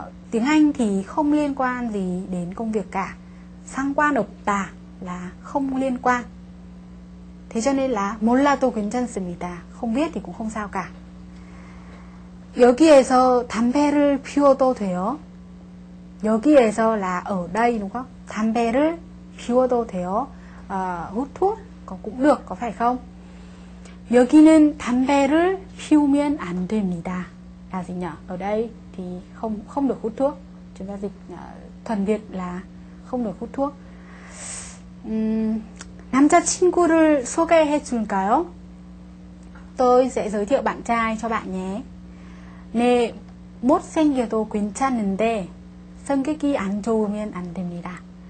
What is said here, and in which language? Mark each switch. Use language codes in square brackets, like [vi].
[vi] Tiếng Anh thì không liên quan gì đến công việc cả. 상관없다 là không liên quan. Thế cho nên là [ko] 몰라도 괜찮습니다. [vi] Không biết thì cũng không sao cả. [ko] 여기에서 담배를 피워도 돼요. [vi] 여기에서 là ở đây đúng không? [ko] 담배를 피워도 돼요. [vi] Hút thuốc có cũng được, có phải không? [ko] 여기는 담배를 피우면 안 됩니다. [vi] Là gì nhỉ? Ở đây thì không được hút thuốc. Chúng ta dịch thuần Việt là không được hút thuốc. [ko] 남자친구를 소개해 줄까요? [vi] Tôi sẽ giới thiệu bạn trai cho bạn nhé. [ko] 네, 못생겨도 괜찮은데 성격이 안 좋으면 안 됩니다.